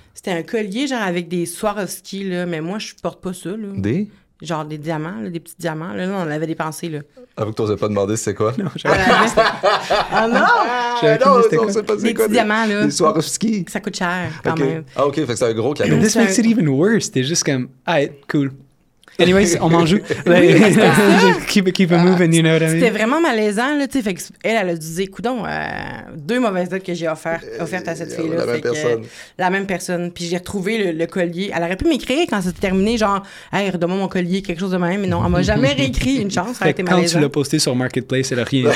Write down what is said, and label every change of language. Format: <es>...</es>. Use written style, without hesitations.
<fr>C'était un collier, genre, avec des Swarovski, là. Mais moi, je porte pas ça, là. Des? genre des diamants, là, des petits diamants. Là, on avait des pensées, là. Avoue que tu n'osais pas demander c'est quoi. Non, c'est pas des petits diamants, là. Des Swarovski. Ça coûte cher, quand même. Ah, OK, fait que c'est un gros cadeau.</fr> <en>This makes it even worse.</en> <fr>C'était juste comme, ah, cool. Anyways, on m'en joue.</fr> <en>Like, keep it moving, you know what I mean?</en> <fr>C'était vraiment malaisant, là, tu sais. Fait que elle a dû dire, coudonc, deux mauvaises notes que j'ai offertes à cette fille-là. La même personne. Puis j'ai retrouvé le collier. Elle aurait pu m'écrire quand c'était terminé, genre, hey, redonne-moi mon collier, quelque chose de même. Mais non, elle m'a jamais réécrit, une chance. Ça a été malaisant. Quand tu l'as posté sur Marketplace, elle a rien dit.</fr>